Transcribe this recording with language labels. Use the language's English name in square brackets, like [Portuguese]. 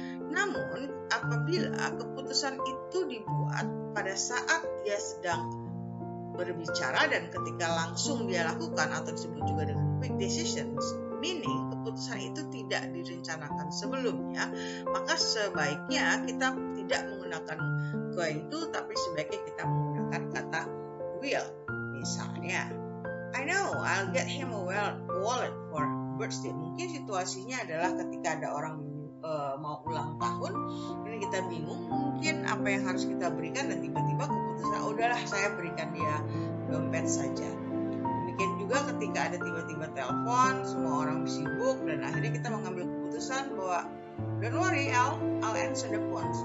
[Indonesian] Namun, apabila keputusan itu dibuat pada saat dia sedang berbicara dan ketika langsung dia lakukan, atau disebut juga dengan [English] quick decisions, meaning [Indonesian] keputusan itu tidak direncanakan sebelumnya, maka sebaiknya kita tidak menggunakan going to, tapi sebaiknya kita menggunakan kata will. Misalnya, [English] I know I'll get him a wallet for birthday. [Indonesian] Mungkin situasinya adalah ketika ada orang mau ulang tahun, ini kita bingung mungkin apa yang harus kita berikan, dan tiba-tiba keputusan, udahlah saya berikan dia dompet saja. Demikian juga ketika ada tiba-tiba telepon, semua orang sibuk, dan akhirnya kita mengambil keputusan bahwa [English] don't worry, I'll answer the phone.